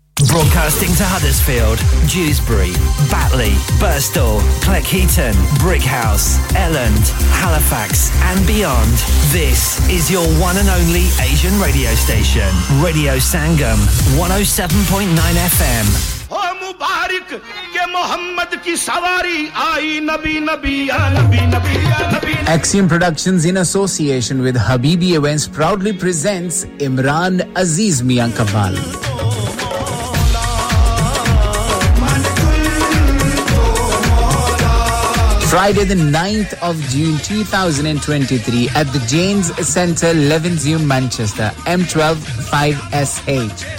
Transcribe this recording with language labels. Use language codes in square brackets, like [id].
[en] Broadcasting to Huddersfield, Dewsbury, Batley, Birstall, Cleckheaton, Brickhouse, Elland, Halifax and beyond. This is your one and only Asian radio station. Radio Sangam, 107.9 FM. [hi] ओ मुबारक के मोहम्मद की सवारी आई नबी नबी या नबी नबी या नबी [en] Axiom Productions in association with Habibi Events proudly presents Imran Aziz Mian Kamal Friday the 9th of June 2023 at the Jane's Centre, Levenshulme, Manchester, M12 5SH.